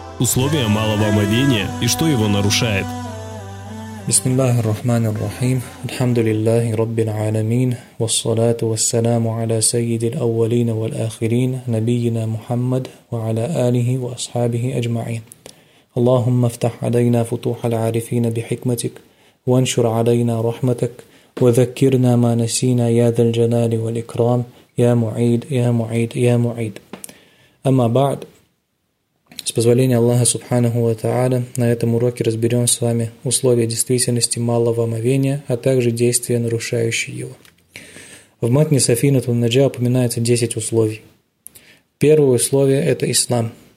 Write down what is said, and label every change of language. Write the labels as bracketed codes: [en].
[ru] Условия малого омовения и что его нарушает. [ar] Бисмиллахи ррахмани ррахим. Альхамдулиллахи раббиль аалямин. Вассалату вассаламу аля сайидил аввалина валь ахирин, набийина Мухаммад ва аля алихи ва асхабихи аджмаин. اللهم افتح علينا فتوح العارفين بحكمتك وانشر علينا رحمتك وذكرنا ما نسينا يا ذا الجلال والإكرام يا معيد يا معيد يا معيد. أما بعد, [ru] с позволения Аллаха Субханаху ва Тааля, на этом уроке разберем с вами условия действительности малого омовения, а также действия, нарушающие его. В матне Сафинат ан-Наджа упоминается 10 условий. Первое условие – это ислам.